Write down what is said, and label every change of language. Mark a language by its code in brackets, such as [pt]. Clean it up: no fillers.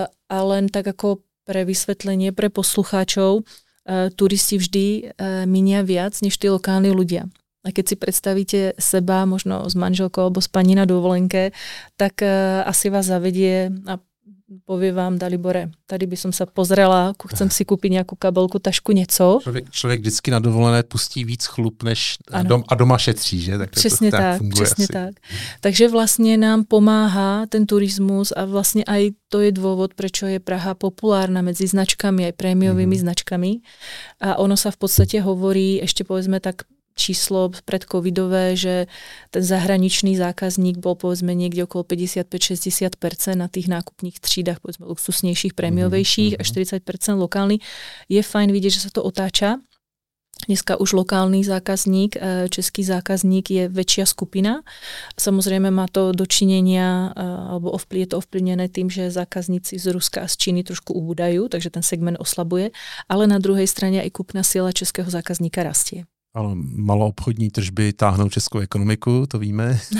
[sk] A len tak ako pre vysvetlenie, pre poslucháčov, turisti vždy minia viac než tí lokálni ľudia. A keď si predstavíte seba, možno s manželkou alebo s pani na dovolenke, tak asi vás zavedie a povie vám, Dalibore, tady by som sa pozrela, chcem si kúpiť nejakú kabelku, tašku, nieco. [cs] Človek vždycky na dovolené pustí víc chlup, než a doma šetří, že? Tak přesne to, tak, funguje přesne asi. [sk] Tak. Takže vlastne nám pomáha ten turizmus a vlastne aj to je dôvod, prečo je Praha populárna medzi značkami, aj prémiovými mm-hmm. značkami. A ono sa v podstate hovorí, ešte povedzme tak, číslo predcovidové, že ten zahraničný zákazník bol povedzme niekde okolo 55-60% na tých nákupných třídach, povedzme luxusnejších, prémiovejších a 40% lokálny. Je fajn vidieť, že sa to otáča. Dneska už lokálny zákazník, český zákazník je väčšia skupina. Samozrejme má to dočinenia, alebo je to ovplyvnené tým, že zákazníci z Ruska a z Číny trošku ubúdajú, takže ten segment oslabuje. Ale na druhej strane aj kúpna sila českého zákazníka rastie. [cs] Ale maloobchodní tržby táhnou českou ekonomiku, to víme.